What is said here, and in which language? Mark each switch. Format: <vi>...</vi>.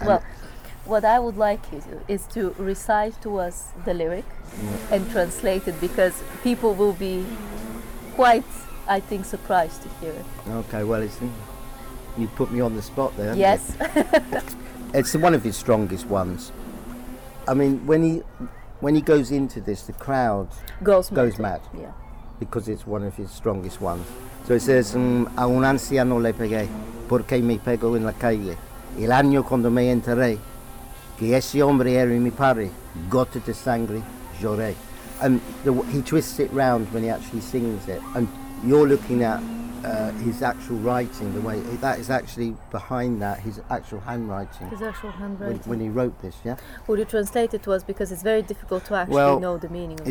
<en>And well, what I would like you to is to recite to us the lyric and translate it, because people will be quite, I think, surprised to hear it. Okay, well, you put me on the spot there. Yes. It's one of his strongest ones. I mean, when he goes into this, the crowd goes mad. Yeah. Because it's one of his strongest ones.</en> <es>So it says, a un anciano le pegué, porque me pego en la calle, el año cuando me enteré, que ese hombre era mi padre, gota de sangre, lloré.</es> <en>And he twists it round when he actually sings it. And you're looking at his actual writing, the way that is actually behind that, his actual handwriting. His actual handwriting. When he wrote this, yeah? Would you translate it to us? Because it's very difficult to actually know the meaning of it.</en>